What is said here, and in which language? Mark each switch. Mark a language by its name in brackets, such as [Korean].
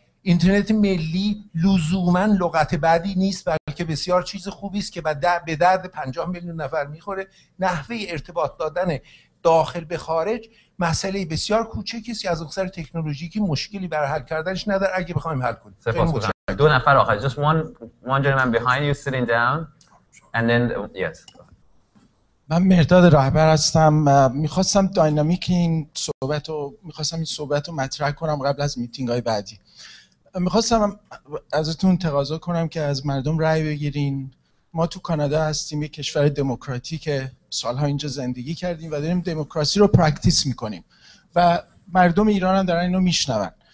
[Persian] اینترنت ملی لزوماً لغت بعدی نیست، بلکه بسیار چیز خوبی است که به درد 50 میلیون نفر میخوره. نحوه ارتباط دادن داخل به خارج مسئله بسیار کوچکی است که از اخصر تکنولوژیکی مشکلی برای حل کردنش نداره اگه بخوایم حل کنیم. [English] Do an affair. Just one gentleman behind you sitting down, and then yes. [Persian] من مرداد راهبر هستم. میخواستم داینامیک این صحبت رو مطرح کنم قبل از میتینگ های بعدی. میخواستم ازتون تقاضا کنم که از مردم رای بگیرین. ما تو کانادا هستیم، یک کشور دموکراتیکه، سالها اینجا زندگی کردیم و داریم دموکراسی رو پرکتیس میکنیم و مردم ایران هم دارن اینو میشنون.